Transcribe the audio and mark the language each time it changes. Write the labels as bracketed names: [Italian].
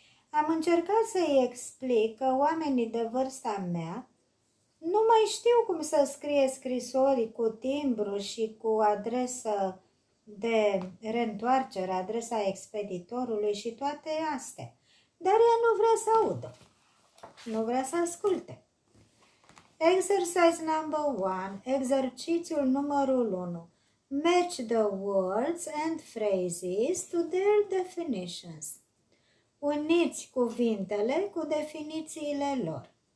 [Romanian] Am încercat să-i explic că oamenii de vârsta mea nu mai știu cum să scrie scrisori cu timbru și cu adresă de reîntoarcere, adresa expeditorului și toate astea. Dar ea nu vrea să audă. Nu vrea să asculte. [English] Exercise number one, [Romanian] exercițiul numărul 1. [English] Match the words and phrases to their definitions. [Romanian] Uniți cuvintele cu definițiile lor.